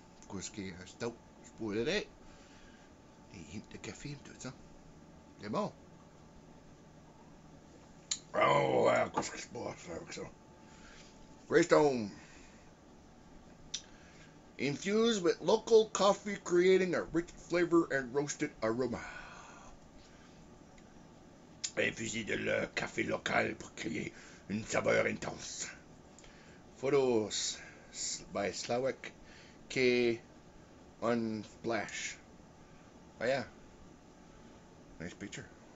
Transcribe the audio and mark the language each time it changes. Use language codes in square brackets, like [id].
[fr] Qu'est-ce qui est un stout? Je pourrais dire. Des hints de café et tout ça. C'est bon. Oh, qu'est-ce qui se passe avec ça? [en] Greystone. Infused with local coffee, creating a rich flavor and roasted aroma. [fr] Infusé de le café local pour créer une saveur intense. [en] Photos by Slavik K. Unsplash. Oh yeah. Nice picture.